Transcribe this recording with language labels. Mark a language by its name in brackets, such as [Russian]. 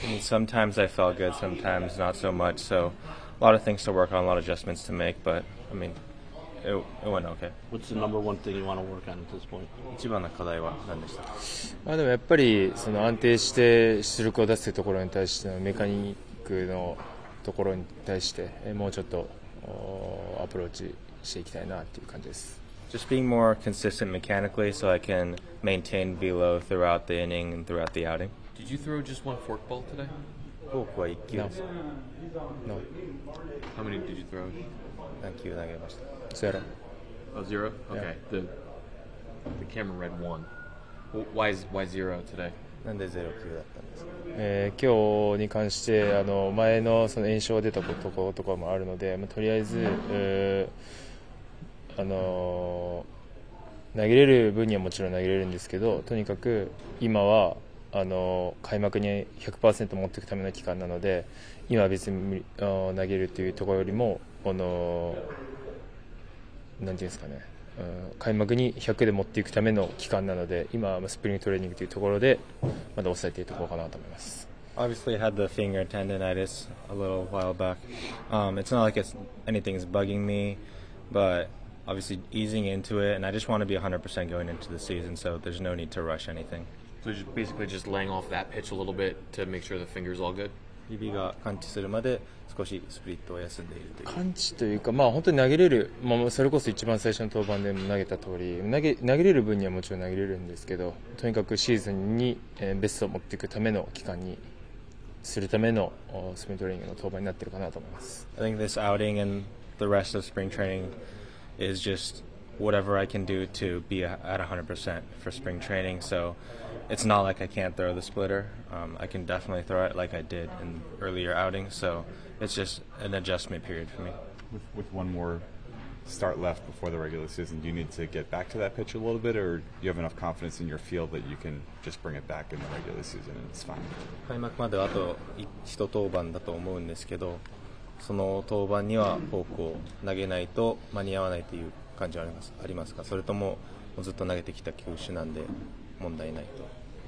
[English] Sometimes I felt good, sometimes not so much. So a lot of things to work on, a lot of adjustments to make. But I mean, it went okay. What's the number one thing you want to work on at this point? [Japanese] 一番の課題は何でした？まあでもやっぱりその安定して出力を出すところに対してのメカニックのところに対してもうちょっとアプローチしていきたいなっていう感じです。 [English] Just being more consistent mechanically so I can maintain velo throughout the inning and throughout the outing. Did you throw just one forkball today? [Japanese] フォークは一球です。 [English] No. How many did you throw? [Japanese] 何球投げました。 [English] Zero. Oh, zero? Okay. Yeah. The camera read one. Why zero today? [Japanese] なんでゼロ級だったんですか？今日に関して前のその炎症が出たところとかもあるので、まあ、とりあえず、投げれる分にはもちろん投げれるんですけど、とにかく今は開幕に 100% 持っていくための期間なので、今は別に投げるというところよりも何ていうんですかね、開幕に100で持っていくための期間なので、今はスプリングトレーニングというところでまだ抑えているところかなと思います。 [English] Obviously I had the finger tendonitis a little while back. It's not like anything is bugging me, but obviously easing into it, and I just want to be 100% going into the season, so there's no need to rush anything. So you're basically just laying off that pitch a little bit to make sure the finger's all good? [Japanese] 指が感知するまで少しスプリットを休んでいるという感知というか、まあ、本当に投げれる、まあ、それこそ一番最初の登板でも投げた通り投げれる分にはもちろん投げれるんですけど、とにかくシーズンにベストを持っていくための期間にするためのスプリントレーニングの登板になっているかなと思います。 [English] I think this outing and the rest of spring training is just whatever I can do to be at 100% for spring training, soIt's not like I can't throw the splitter. I can definitely throw it like I did in earlier outings. So it's just an adjustment period for me. With one more start left before the regular season, do you need to get back to that pitch a little bit, or do you have enough confidence in your feel that you can just bring it back in the regular season and it's fine? [Japanese] 開幕まであと一登板だと思うんですけど、その登板にはフォークを投げないと間に合わないという感じはありますか？それとも、もうずっと投げてきた球種なんで問題ないと。